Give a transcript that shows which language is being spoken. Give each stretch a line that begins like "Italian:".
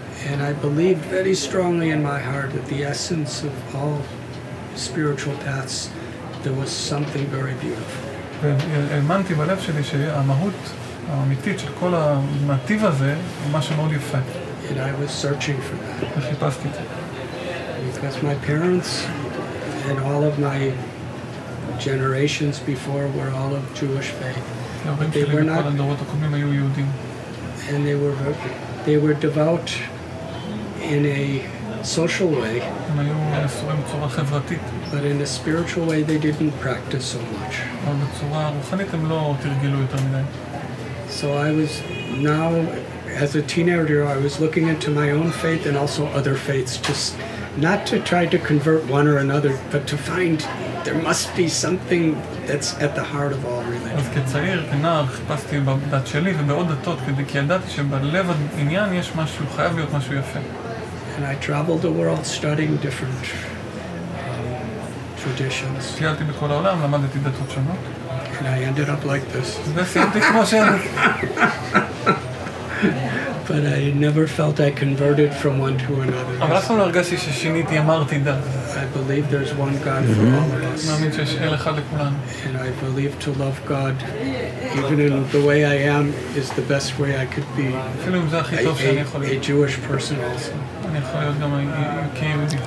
English: And I believe very strongly in my heart that the essence of all spiritual paths, there was something very beautiful.
Hebrew: האמנתי בלב שלי שהמהות האמיתית של כל הנתיב הזה הוא משהו מאוד יפה.
English: And I was searching for that.
Hebrew: וחיפשתי את זה.
English: Because my parents and all of my generations before were all of Jewish faith. They were not...
Hebrew: הדורות הקודמים היו יהודים.
English: And they were devout in a social way.
Hebrew: הם היו נשואים בצורה חברתית.
English: But in a spiritual way they didn't practice so much.
Hebrew: אבל בצורה רוחנית הם לא תרגלו יותר מדי.
English: So I was now, as a teenager, I was looking into my own faith and also other faiths, just not to try to convert one or another, but to find there must be something that's at the heart of all religion.
Hebrew: אז כצעיר, כנער, חיפשתי בדת שלי ובעוד דתות, כדי כי ידעתי שבלב העניין יש משהו, חייב להיות משהו יפה.
English: And I traveled the world studying different traditions.
Hebrew: טיילתי בכל העולם, למדתי דתות שונות.
English: And I ended up like this.
Hebrew: וסיימתי כמו שאני.
English: But but I never felt I converted from one to another.
Hebrew: אבל אף פעם לא הרגשתי ששיניתי, אמרתי דת.
English: I believe there's one God for all of us.
Hebrew: מאמין שיש אל אחד לכולנו.
English: And I believe to love God, even in the way I am, is the best way I could be.
Hebrew: אפילו אם זה הכי טוב שאני יכול להיות.
English: A Jewish person also.
Hebrew: אני יכול להיות גם כיהודי.